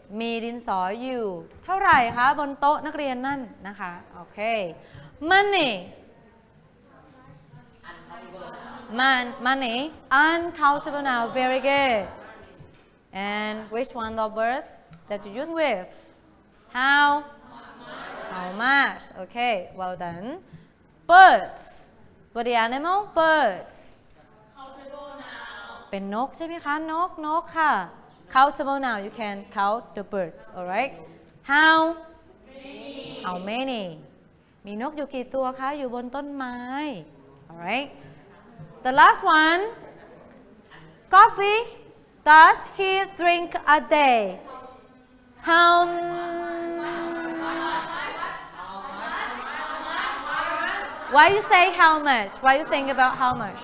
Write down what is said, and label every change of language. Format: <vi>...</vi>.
<th>มีดินสออยู่เท่าไหร่คะบนโต๊ะนักเรียนนั่นนะคะโอเค</th> <en>money uncountable now very good and which one of word that you use with how much okay well done birds what the animal birds countable now</en> <th>เป็นนกใช่ไหมคะนกค่ะ</th> <en>Countable now, you can count the birds, all right? How many?</en> <th>มีนกอยู่กี่ตัวคะอยู่บนต้นไม้</th> <en>all right? The last one, coffee does he drink a day? How much? Why you say how much? Why you think about how much?</en>